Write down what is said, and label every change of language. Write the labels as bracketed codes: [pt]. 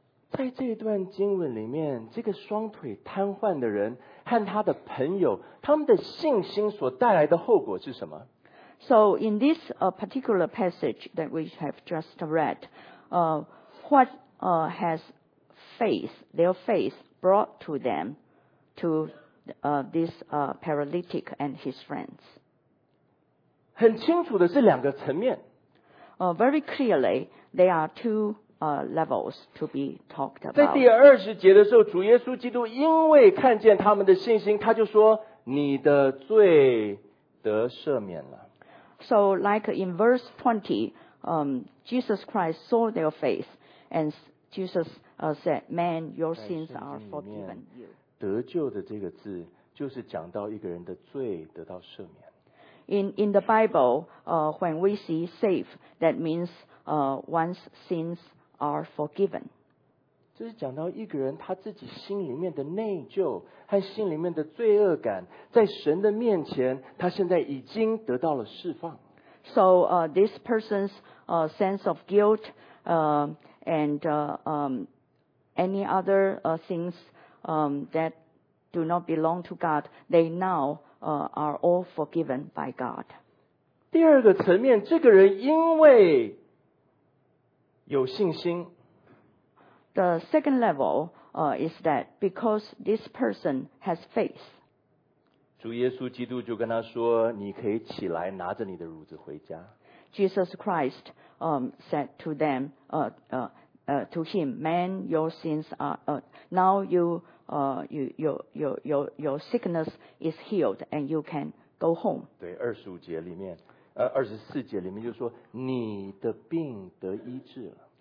[zh] 在这一段经文里面，这个双腿瘫痪的人和他的朋友，他们的信心所带来的后果是什么？ [en] So in this particular passage that we have just read, what has faith, their faith brought to them, to this paralytic and his friends? [zh] 很清楚的是两个层面。 [en] Very clearly, there are two levels to be talked about. [zh] 在第二十节的时候，主耶稣基督因为看见他们的信心，他就说：“你的罪得赦免了。” [en] So, like in verse 20, Jesus Christ saw their faith, and Jesus said, "Man, your sins are forgiven." [zh] 得救的这个字，就是讲到一个人的罪得到赦免。 [en] In the Bible, when we see save, that means one's sins are forgiven. [zh] 这是讲到一个人他自己心里面的内疚和心里面的罪恶感，在神的面前，他现在已经得到了释放。 [en] So this person's sense of guilt any other things that do not belong to God, they noware all forgiven by God. [zh] 第二个层面，这个人因为有信心。 [en] The second level, is that because this person has faith. [zh] 主耶稣基督就跟他说：“你可以起来，拿着你的褥子回家。” [en] Jesus Christ, said to them, to him, "Man, your sins are now you. Your sickness is healed and you can go home." [zh] 对，二十五节里面，二十四节里面就说你的病得医治了。